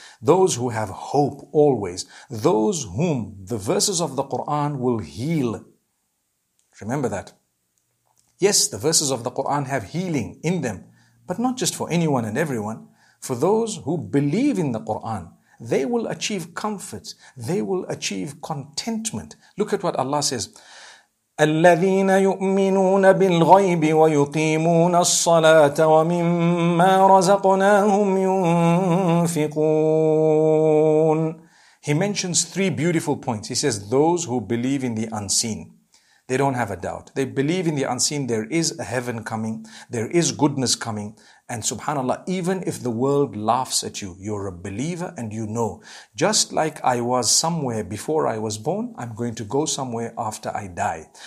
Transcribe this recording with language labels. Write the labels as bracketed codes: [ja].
[en] Those who have hope always. Those whom the verses of the Quran will heal. Remember that. Yes, the verses of the Quran have healing in them, but not just for anyone and everyone. For those who believe in the Quran, they will achieve comfort. They will achieve contentment. Look at what Allah says. [ar] الذين يؤمنون بالغيب ويقيمون الصلاة ومما رزقناهم ينفقون. [en] He mentions three beautiful points. He says, those who believe in the unseen, they don't have a doubt. They believe in the unseen, there is a heaven coming, there is goodness coming. And subhanAllah, even if the world laughs at you, you're a believer and you know, just like I was somewhere before I was born, I'm going to go somewhere after I die.